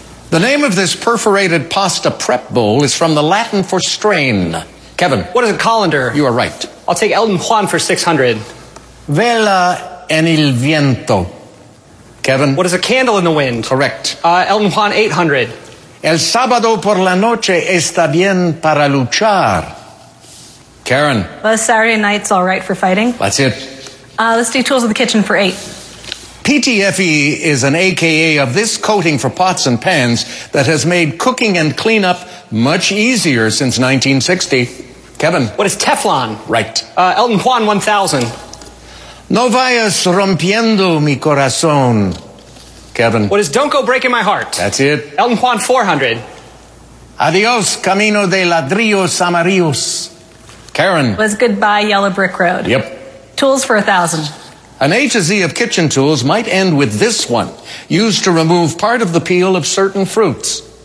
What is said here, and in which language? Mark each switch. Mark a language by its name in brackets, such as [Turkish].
[English] The name of this perforated pasta prep bowl is from the Latin for strain. Kevin. What is a colander? You are right. I'll take Elton Juan for 600. [Spanish] Vela en el viento. Kevin. [English] What is a candle in the wind? Correct. Elton Juan, 800. [Spanish] El sábado por la noche está bien para luchar. [English] Karen. Well, Saturday night's all right for fighting. That's it. Let's do Tools of the Kitchen for 8. PTFE is an AKA of this coating for pots and pans that has made cooking and cleanup much easier since 1960. Kevin. What is Teflon? Right. Elton Juan, 1000. [Spanish] No vayas rompiendo mi corazón. [English] Kevin. What is Don't Go Breaking My Heart? That's it. Elton Juan, 400. [Spanish] Adios, camino de ladrillos amarillos. Karen. [English] Was goodbye, Yellow Brick Road. Yep. Tools for 1000. An A to Z of kitchen tools might end with this one, used to remove part of the peel of certain fruits.